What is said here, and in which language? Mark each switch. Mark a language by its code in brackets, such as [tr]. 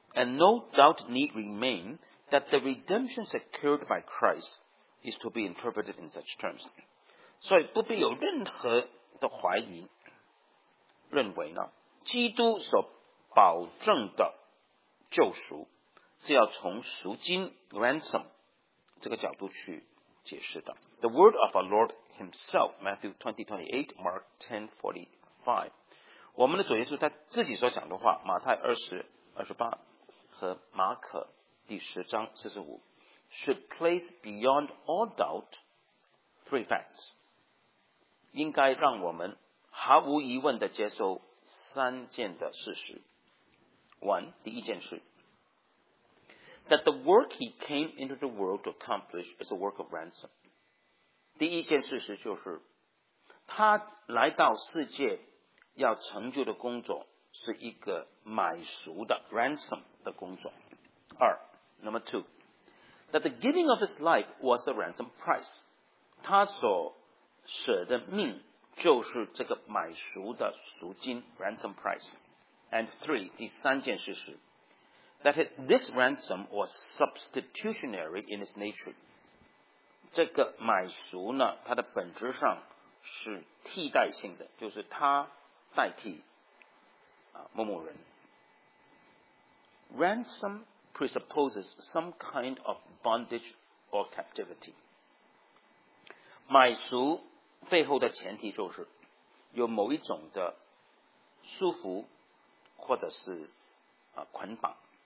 [en] And no doubt need remain that the redemption secured by Christ is to be interpreted in such terms. [zh] 所以不必有任何的怀疑认为呢基督所保证的救赎是要从赎金 ransom 这个角度去解释的。 [en] The word of our Lord himself, Matthew 20:28, Mark 10:45. [zh] 我们的主耶稣他自己所讲的话马太20:28和马可第10:45 [en] should place beyond all doubt three facts. [zh] 应该让我们毫无疑问地接受三件的事实。 One, 第一件事。 [en] That the work he came into the world to accomplish is a work of ransom. [zh] 第一件事实就是他来到世界要成就的工作是一个买赎的 ransom 的工作。 [en] 二 Number two, that the giving of his life was a ransom price. [zh] 他所舍的命就是这个买赎的赎金 ransom price. [en] And three, [zh] 第三件事实 [en] That this ransom was substitutionary in its nature. [zh] 这个买赎呢，它的本质上是替代性的，就是它代替某某人。 [en] Ransom presupposes some kind of bondage or captivity. [zh] 买赎背后的前提就是有某一种的束缚或者是捆绑。